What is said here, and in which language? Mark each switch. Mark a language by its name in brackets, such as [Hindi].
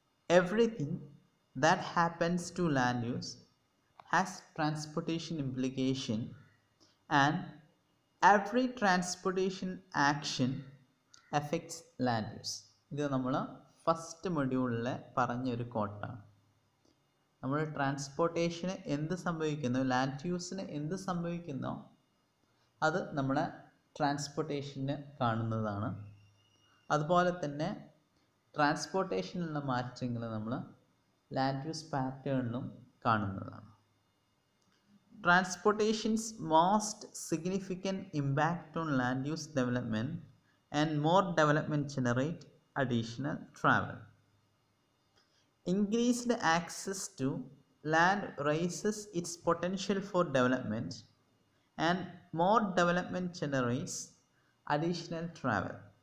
[English] Everything that happens to land use has transportation implication, and every transportation action affects land use. [Malayalam] ഇത് നമ്മൾ first മൊഡ്യൂളിലെ പറഞ്ഞൊരു കോട്ടാണ്. നമ്മൾ ട്രാൻസ്പോർട്ടേഷന് എന്ത് സംഭവിക്കുന്നു, ലാൻഡ് യൂസിന് എന്ത് സംഭവിക്കുന്നോ അത് നമ്മുടെ ട്രാൻസ്പോർട്ടേഷന് കാണുന്നതാണ്. അതുപോലെ തന്നെ ട്രാൻസ്പോർട്ടേഷനുള്ള മാറ്റങ്ങൾ നമ്മൾ ലാൻഡ് യൂസ് പാറ്റേണിലും കാണുന്നതാണ്. [English] Transportation's most significant impact on land use development and more development generate additional travel. Increased access to land raises its potential for development, and more development generates additional travel.